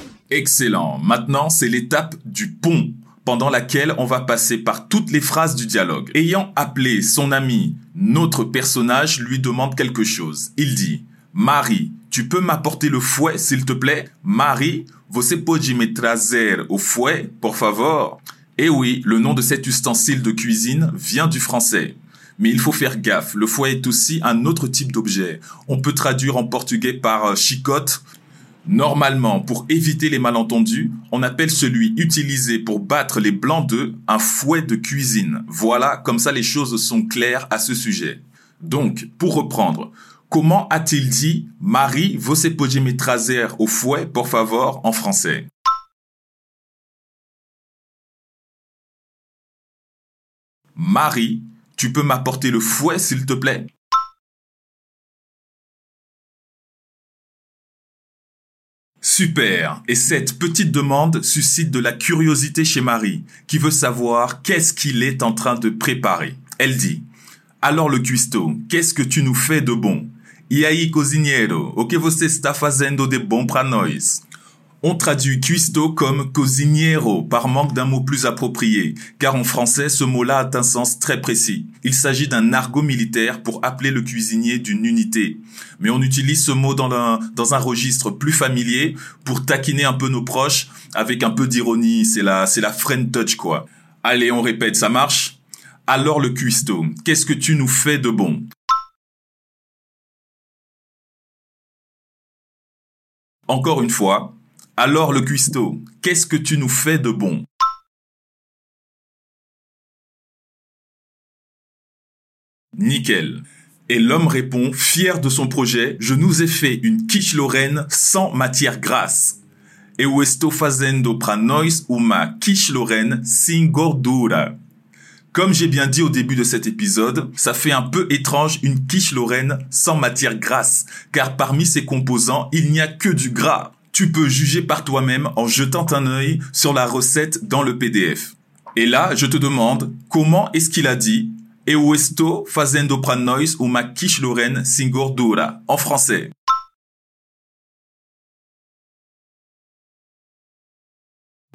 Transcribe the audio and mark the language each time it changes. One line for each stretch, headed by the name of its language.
French: Excellent. Maintenant, c'est l'étape du pont, pendant laquelle on va passer par toutes les phrases du dialogue. Ayant appelé son ami, notre personnage lui demande quelque chose. Il dit... Marie, tu peux m'apporter le fouet, s'il te plaît ?
Portuguese: Marie, você pode me trazer o fouet, por favor ?
French: Eh oui, le nom de cet ustensile de cuisine vient du français. Mais il faut faire gaffe, le fouet est aussi un autre type d'objet. On peut traduire en portugais par chicote. Normalement, pour éviter les malentendus, on appelle celui utilisé pour battre les blancs d'œufs un fouet de cuisine. Voilà, comme ça les choses sont claires à ce sujet. Donc, pour reprendre... Comment a-t-il dit «
Portuguese: Marie, você pode me trazer au fouet, por favor
French: » en français ? Marie, tu peux m'apporter le fouet, s'il te plaît ? Super ! Et cette petite demande suscite de la curiosité chez Marie, qui veut savoir qu'est-ce qu'il est en train de préparer. Elle dit « Alors le cuistot, qu'est-ce que tu nous fais de bon ?»
Portuguese: E aí, cozinheiro, o que você está fazendo de bom para nós?
French: On traduit cuisto comme cozinheiro par manque d'un mot plus approprié, car en français, ce mot-là a un sens très précis. Il s'agit d'un argot militaire pour appeler le cuisinier d'une unité. Mais on utilise ce mot dans un registre plus familier pour taquiner un peu nos proches avec un peu d'ironie. C'est la
English: friend touch,
French: quoi. Allez, on répète, ça marche? Alors le cuisto, qu'est-ce que tu nous fais de bon? Encore une fois, alors le cuistot, qu'est-ce que tu nous fais de bon ? Nickel. Et l'homme répond, fier de son projet, je nous ai fait une quiche Lorraine sans matière grasse.
Portuguese: E o estou fazendo para nós uma quiche Lorraine sem gordura.
French: Comme j'ai bien dit au début de cet épisode, ça fait un peu étrange une quiche Lorraine sans matière grasse, car parmi ses composants, il n'y a que du gras. Tu peux juger par toi-même en jetant un œil sur la recette dans le PDF. Et là, je te demande, comment est-ce qu'il a dit «
Portuguese: Eu estou fazendo para nós uma quiche Lorraine sem gordura
French: » en français ?